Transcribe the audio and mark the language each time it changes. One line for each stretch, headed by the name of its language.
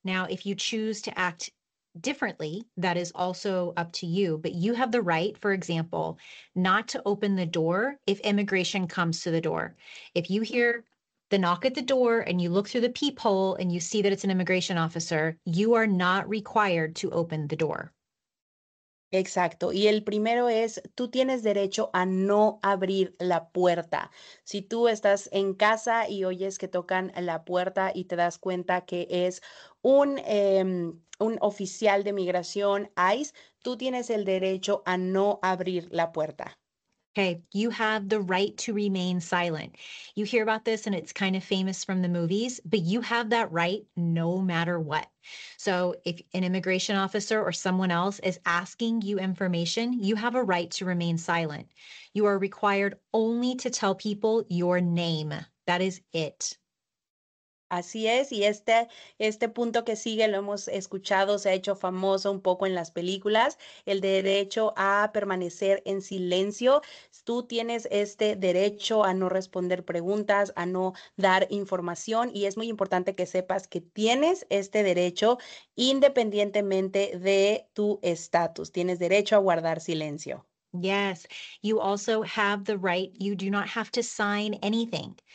English: Now, if you choose to act differently, that is also up to you. But you have the right, for example, not to open the door if immigration comes to the door. If you hear the knock at the door and you look through the peephole and you see that it's an immigration officer, you are not required to open the door.
Spanish: Exacto. Y el primero es, tú tienes derecho a no abrir la puerta. Si tú estás en casa y oyes que tocan la puerta y te das cuenta que es un oficial de migración, ICE, tú tienes el derecho a no abrir la puerta.
English: Okay, you have the right to remain silent. You hear about this and it's kind of famous from the movies, but you have that right no matter what. So if an immigration officer or someone else is asking you information, you have a right to remain silent. You are required only to tell people your name. That is it.
Spanish: Así es, y este punto que sigue lo hemos escuchado, se ha hecho famoso un poco en las películas, el derecho a permanecer en silencio. Tú tienes este derecho a no responder preguntas, a no dar información, y es muy importante que sepas que tienes este derecho independientemente de tu estatus. Tienes derecho a guardar silencio.
English: Yes, you also have the right. You do not have to sign anything.